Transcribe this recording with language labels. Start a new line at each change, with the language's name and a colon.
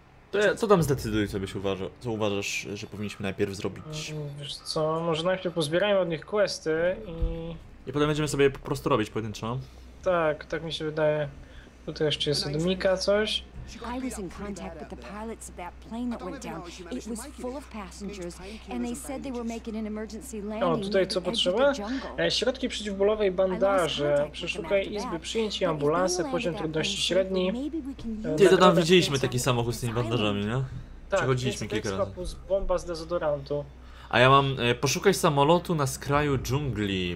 Polish: To ja, co tam zdecyduj, co byś uważał, co uważasz, że powinniśmy najpierw zrobić? Wiesz co, może najpierw pozbierajmy od nich questy i... I potem będziemy sobie po prostu robić pojedynczo. Tak, tak mi się wydaje. Tutaj jeszcze jest od Mika coś.
English: I was in contact with the pilots of that plane that went down. It was full of passengers and they said they were making an emergency landing.
Polish: O, tutaj co potrzeba? Środki przeciwbólowe i bandaże. Przeszukaj izby przyjęć i ambulansy, poziom trudności średni. Nie, to tam widzieliśmy taki samochód z tymi bandażami, nie? Przechodziliśmy kilka razy. Tak, plus bomba z dezodorantu. A ja mam, poszukaj samolotu na skraju dżungli.